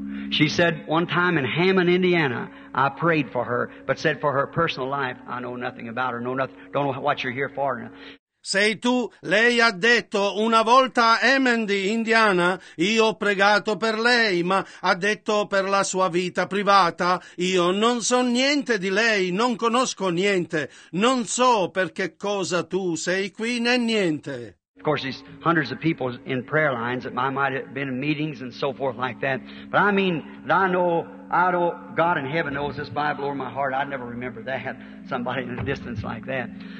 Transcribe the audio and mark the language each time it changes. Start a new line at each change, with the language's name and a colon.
English: She said one time in Hammond, Indiana, I prayed for her, but said for her personal life, I know nothing about her, know nothing, don't know what you're here for.
Italian: Sei tu, lei ha detto, una volta a Hammond, Indiana, io ho pregato per lei, ma ha detto per la sua vita privata, io non so niente di lei, non conosco niente, non so per che cosa tu sei qui, né niente.
English: Of course, there's hundreds of people in prayer lines that might have been in meetings and so forth like that, but I mean, I know, God in heaven knows this Bible over my heart, I'd never remember that, somebody in a distance like that.